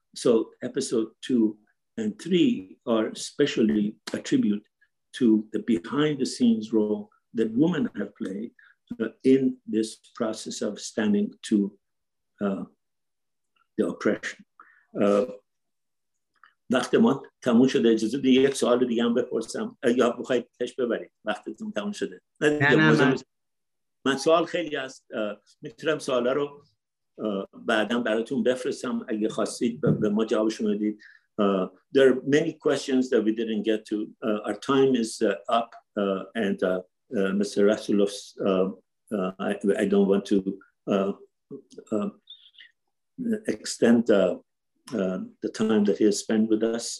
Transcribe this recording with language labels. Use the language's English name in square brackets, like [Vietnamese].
[English] So episode 2 and 3 are especially a tribute to the behind the scenes role that women have played in this process of standing to the oppression. [Persian] وقت ما تموم شده، اجازه بدید یک سوال دیگه هم بپرسم یا بخواید پیش ببرید وقتتون تموم شده. من سوال خیلی هست، میتونم سوالا رو بعدا براتون بفرستم اگه خواستید به ما جوابشون بدید. [English] There are many questions that we didn't get to. Our time is up and Mr. Rasoulof, I don't want to extend the time that he has spent with us.